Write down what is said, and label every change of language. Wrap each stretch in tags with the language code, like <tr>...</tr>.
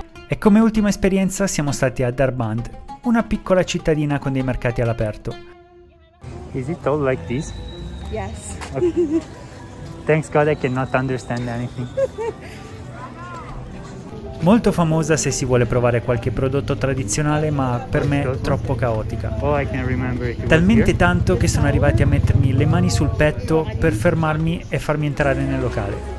<it>E come ultima esperienza siamo stati a Darband, una piccola cittadina con dei mercati all'aperto.</it> <en>Is it all like this? Yes. Thanks God I cannot understand anything.</en> <it>Molto famosa se si vuole provare qualche prodotto tradizionale, ma per me troppo caotica.</it> <en>Oh, I can remember.</en> <it>Talmente tanto che sono arrivati a mettermi le mani sul petto per fermarmi e farmi entrare nel locale.</it>